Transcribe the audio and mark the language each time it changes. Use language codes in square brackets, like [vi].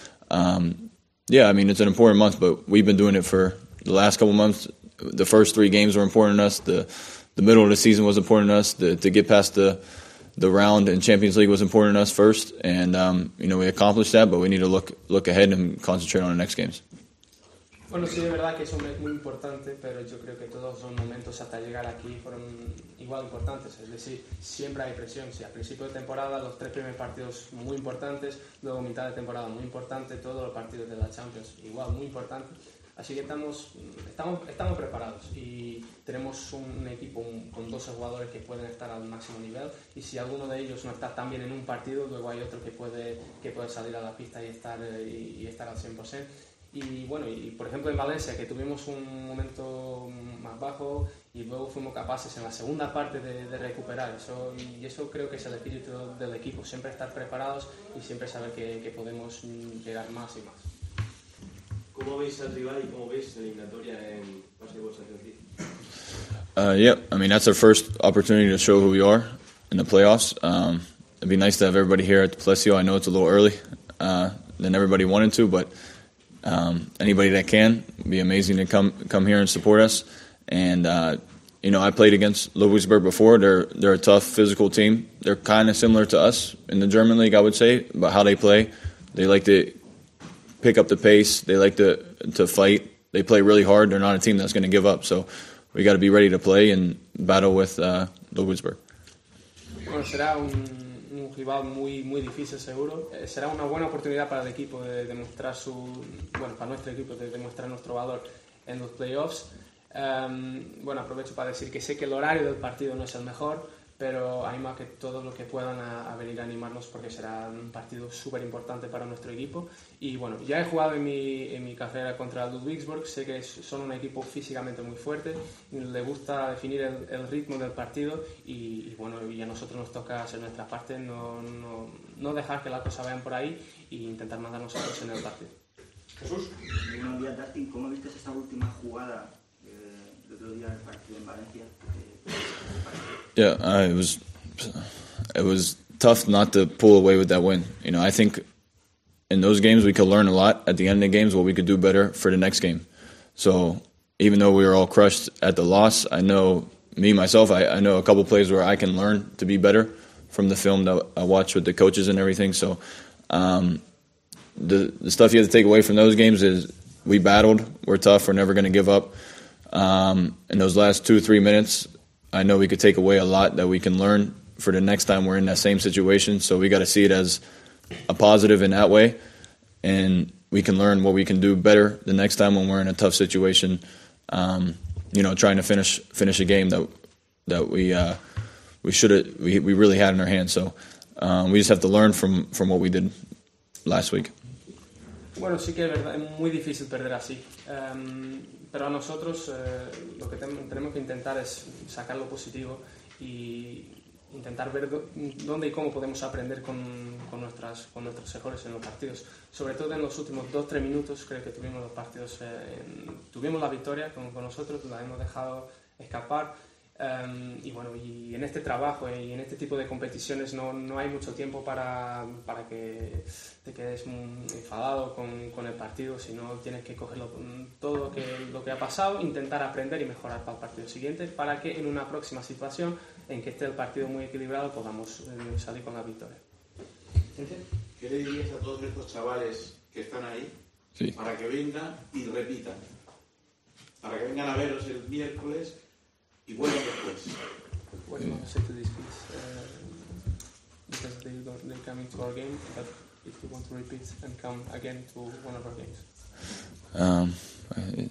[en] So, yeah, I mean, it's an important month, but we've been doing it for the last couple months. The first three games were important to us. The middle of the season was important to us. To get past the round in Champions League was important to us first. And, you know, we accomplished that, but we need to look ahead and concentrate on the next games. [es] Bueno, sí, de verdad que eso es muy importante, pero yo creo que todos los momentos hasta llegar aquí fueron igual importantes. Es decir, siempre hay presión. Si al principio de temporada los tres primeros partidos muy importantes, luego mitad de temporada muy importante, todos los partidos de la Champions igual muy importantes. Así que estamos preparados y tenemos un equipo con 12 jugadores que pueden estar al máximo nivel, y si alguno de ellos no está tan bien en un partido, luego hay otro que puede salir a la pista y estar al 100%. Y bueno, y por ejemplo en Valencia, que tuvimos un momento más bajo y luego fuimos capaces en la segunda parte de recuperar eso, y eso creo que es el espíritu del equipo, siempre estar preparados y siempre saber que podemos llegar más y más. ¿Cómo veis al rival y cómo veis la eliminatoria en base a vosotros? [en] Yeah, I mean, that's our first opportunity to show who we are in the playoffs. It'd be nice to have everybody here at the Plesio. I know it's a little early than everybody wanted to, but anybody that can, it'd be amazing to come here and support us. And you know, I played against Ludwigsburg before. They're a tough physical team. They're kind of similar to us in the German league, I would say, but how they play, they like to pick up the pace, they like to fight, they play really hard. They're not a team that's going to give up, so we got to be ready to play and battle with Ludwigsburg. [es] Bueno, será un rival muy, muy difícil, seguro. Será una buena oportunidad para el equipo de demostrar su, bueno, para nuestro equipo de demostrar nuestro valor en los playoffs. Bueno, aprovecho para decir que sé que el horario del partido no es el mejor, pero animo a que todos los que puedan a venir a animarnos, porque será un partido súper importante para nuestro equipo. Y bueno, ya he jugado en mi carrera contra Ludwigsburg, sé que son un equipo físicamente muy fuerte, le gusta definir el ritmo del partido, y bueno, y a nosotros nos toca hacer nuestra parte, no dejar que las cosas vayan por ahí e intentar mandarnos a todos en el partido. Jesús, buenos días, Dustin. ¿Cómo viste esta última jugada el otro día del partido en Valencia? [en] Yeah, it was tough not to pull away with that win. You know, I think in those games we could learn a lot at the end of the games, what we could do better for the next game. So even though we were all crushed at the loss, I know me myself, I know a couple plays where I can learn to be better from the film that I watch with the coaches and everything. So the stuff you have to take away from those games is we battled, we're tough, we're never going to give up. In those last 2-3 minutes, I know we could take away a lot that we can learn for the next time we're in that same situation. So we got to see it as a positive in that way. And we can learn what we can do better the next time when we're in a tough situation, you know, trying to finish a game that we really had in our hands. So we just have to learn from what we did last week. [es] Bueno, sí que es verdad, es muy difícil perder así. Pero a nosotros lo que tenemos que intentar es sacar lo positivo e intentar ver dónde y cómo podemos aprender con nuestros errores en los partidos. Sobre todo en los últimos 2-3 minutos, creo que tuvimos los partidos, tuvimos la victoria con nosotros, la hemos dejado escapar. Y bueno, y en este trabajo y en este tipo de competiciones no hay mucho tiempo para que te quedes enfadado con el partido, sino tienes que coger todo lo que ha pasado, intentar aprender y mejorar para el partido siguiente, para que en una próxima situación en que esté el partido muy equilibrado podamos salir con la victoria. ¿Qué le dirías a todos estos chavales que están ahí? Sí. Para que vengan y repitan, para que vengan a veros el miércoles. [en] What do you want to say to these kids? Because they're coming to our game, but if you want to repeat and come again to one of our games.